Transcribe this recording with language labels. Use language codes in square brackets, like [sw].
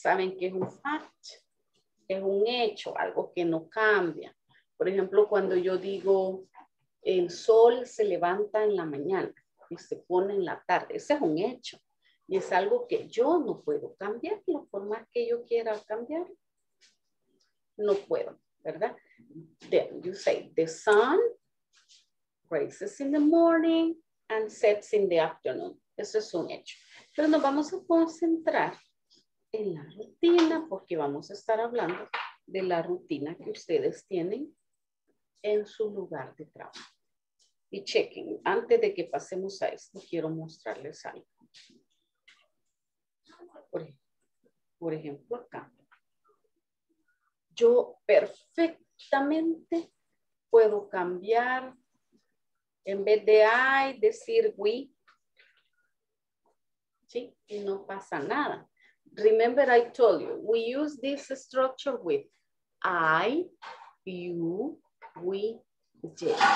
[es] ¿Saben qué es un fact? Es un hecho, algo que no cambia. Por ejemplo, cuando yo digo, el sol se levanta en la mañana y se pone en la tarde. Ese es un hecho. Y es algo que yo no puedo cambiarlo, por más que yo quiera cambiar. No puedo, ¿verdad? [en] Then you say, the sun rises in the morning and sets in the afternoon. [es] Eso es un hecho. Pero nos vamos a concentrar en la rutina porque vamos a estar hablando de la rutina que ustedes tienen en su lugar de trabajo. Y chequen, antes de que pasemos a esto, quiero mostrarles algo. Por ejemplo, acá. Yo perfectamente puedo cambiar, en vez de I, decir we. ¿Sí? Y no pasa nada. [en] Remember I told you, we use this structure with I, you, we, they.